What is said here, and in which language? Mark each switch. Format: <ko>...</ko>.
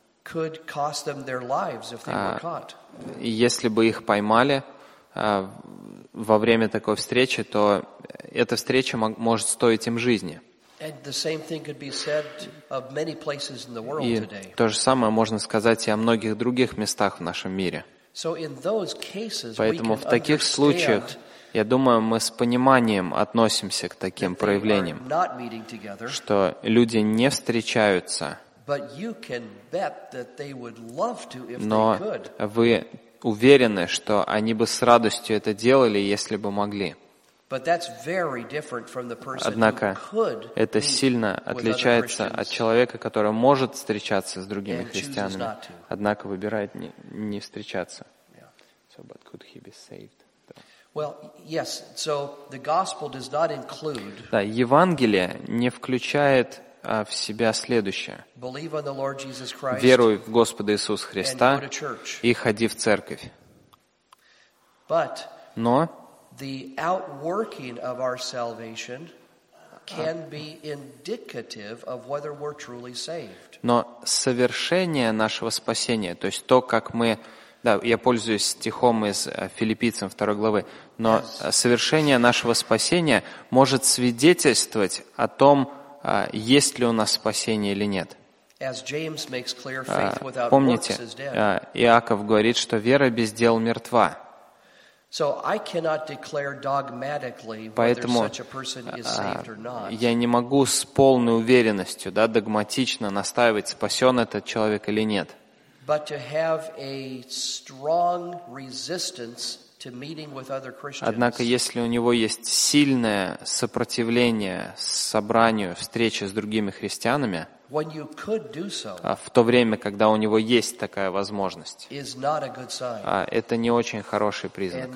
<ru>Если бы их поймали во время такой встречи, то эта встреча может стоить им жизни.</ru> <en>And the same thing could be said of many places in the world today.</en> <ru>И то же самое можно сказать и о многих других местах в нашем мире.</ru> <en>So in those cases,</en> <ru>поэтому в таких случаях, я думаю, мы с пониманием относимся к таким проявлениям, что люди не встречаются.</ru> <en>But you can bet that they would love to if they could.</en> <ru>Но вы уверены, что они бы с радостью это делали, если бы могли.</ru> <en>But that's very different from the person</en> <ru>Однако,</ru> <en>who could</en> <ru>это сильно отличается от человека, который может встречаться с другими христианами, однако выбирает не встречаться.</ru> <en>Yeah. So, but could he be saved? Well, yes. So the gospel does not include.</en> <ru>Да, Евангелие не включает в себя следующее.</ru> <en>Believe on the Lord Jesus Christ.</en> <ru>Веруй в Господа Иисуса Христа</ru> <en>and go to church.</en> <ru>И ходи в церковь.</ru> <en>But.</en> <ru>Но</ru> <en>the outworking of our salvation can be indicative of whether we're truly saved.</en> <ru>Но совершение нашего спасения, то есть то, как мы, да, я пользуюсь стихом из Филиппийцам 2 главы, но совершение нашего спасения может свидетельствовать о том, есть ли у нас спасение или нет.</ru> <en>As James makes clear, faith without</en> <ru>Помните,</ru> <en>works is dead.</en> <ru>Иаков говорит, что вера без дел мертва.</ru> <en>So I cannot declare dogmatically whether such a person is saved or not.</en> <ru>Я не могу с полной уверенностью, да, догматично настаивать, спасен этот человек или нет.</ru> <en>But to have a strong resistance to meeting with other Christians.</en> <ru>Однако если у него есть сильное сопротивление собранию, встрече с другими христианами,</ru> <en>when you could do so,</en> <ru>в то время, когда у него есть такая возможность,</ru> <en>is not a good sign.</en> <ru>Это не очень хороший признак.</ru>